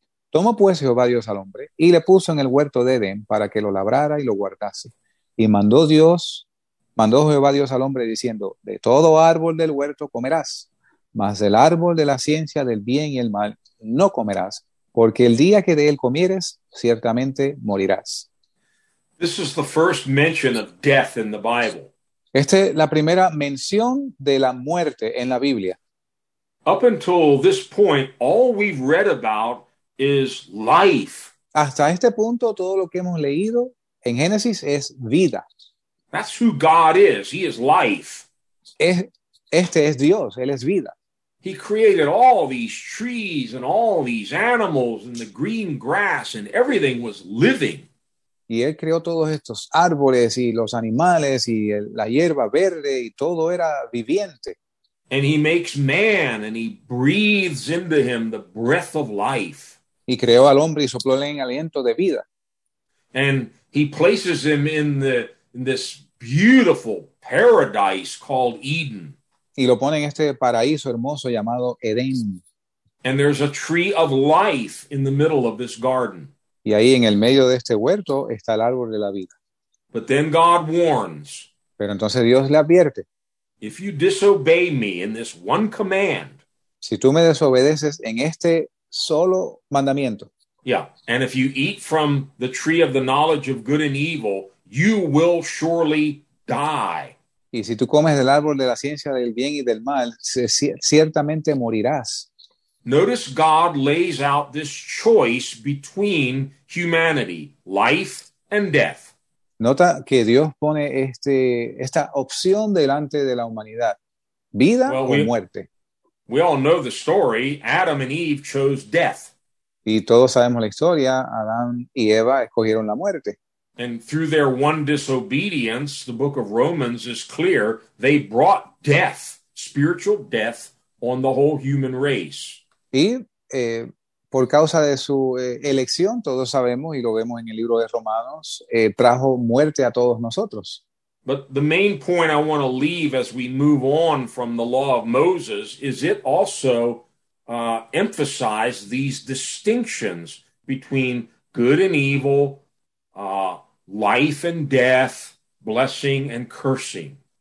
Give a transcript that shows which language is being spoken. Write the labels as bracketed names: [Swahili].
[Spanish] Tomó pues Jehová Dios al hombre y le puso en el huerto de Edén para que lo labrara y lo guardase. Y mandó Jehová Dios al hombre diciendo, de todo árbol del huerto comerás, mas del árbol de la ciencia del bien y el mal no comerás, porque el día que de él comieres, ciertamente morirás. [English] This is the first mention of death in the Bible. [Spanish] Esta es la primera mención de la muerte en la Biblia. [English] Up until this point, all we've read about is life. [Spanish] Hasta este punto, todo lo que hemos leído en Génesis es vida. [English] That's who God is. He is life. [Spanish] Este es Dios, Él es vida. [English] He created all these trees and all these animals and the green grass and everything was living. [Spanish] Y Él creó todos estos árboles y los animales y la hierba verde y todo era viviente. [English] And he makes man and he breathes into him the breath of life. [Spanish] Y creó al hombre y sopló en aliento de vida. [English] And he places him in this beautiful paradise called Eden. [Spanish] Y lo pone en este paraíso hermoso llamado Edén. [English] And there's a tree of life in the middle of this garden. [Spanish] Y ahí en el medio de este huerto está el árbol de la vida. [English] But then God warns. [Spanish] Pero entonces Dios le advierte. [English] If you disobey me in this one command. [Spanish] Si tú me desobedeces en este solo mandamiento. [English] Yeah, and if you eat from the tree of the knowledge of good and evil, you will surely die. [Spanish] Y si tú comes del árbol de la ciencia del bien y del mal, ciertamente morirás. [English] Notice God lays out this choice between humanity, life and death. [Spanish] Nota que Dios pone esta opción delante de la humanidad, vida o muerte. [English] We all know the story. Adam and Eve chose death. [Spanish] Y todos sabemos la historia. Adán y Eva escogieron la muerte. [English] And through their one disobedience, the book of Romans is clear, they brought death, spiritual death, on the whole human race. [Spanish] Y por causa de su elección, todos sabemos, y lo vemos en el libro de Romanos, trajo muerte a todos nosotros. [English] But the main point I want to leave as we move on from the law of Moses is it also emphasized these distinctions between good and evil, life and death, blessing and cursing.